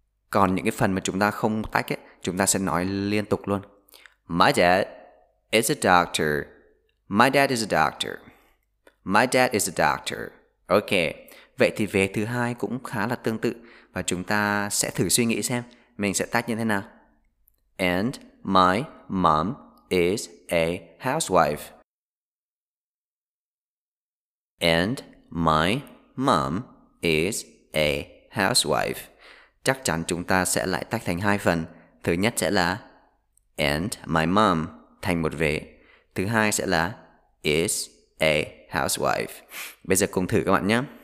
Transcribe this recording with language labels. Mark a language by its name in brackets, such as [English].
[Vietnamese] Còn những cái phần mà chúng ta không tách ấy, chúng ta sẽ nói liên tục luôn. [English] My dad is a doctor. My dad is a doctor. My dad is a doctor. [Vietnamese] Ok, vậy thì vế thứ hai cũng khá là tương tự. Và chúng ta sẽ thử suy nghĩ xem mình sẽ tách như thế nào. [English] And my mom is a housewife. And my mom is a housewife. [Vietnamese] Chắc chắn chúng ta sẽ lại tách thành hai phần. Thứ nhất sẽ là [English] and my mom [Vietnamese] thành một vế. Thứ hai sẽ là [English] is a housewife. [Vietnamese] Bây giờ cùng thử các bạn nhé.